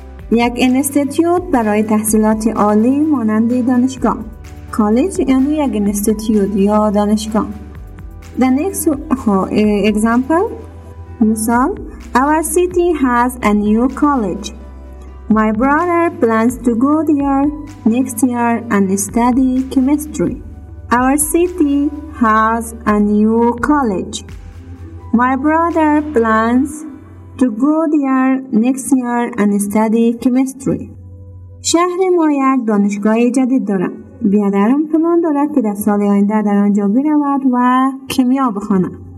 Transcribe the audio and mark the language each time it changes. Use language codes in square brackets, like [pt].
[fa] یک انستیتیوت برای تحصیلات عالی مانند دانشگاه. کالج یعنی یک انستیتیوت یا دانشگاه. [en] The next example. مثال. Our city has a new college. My brother plans to go there next year and study chemistry. Our city has a new college. My brother plans to go there next year and study chemistry. [fa] شهر ما یک دانشگاه جدید دارم. برادرم پلان دارد که در سال آینده در آنجا برود و کیمیا بخواند.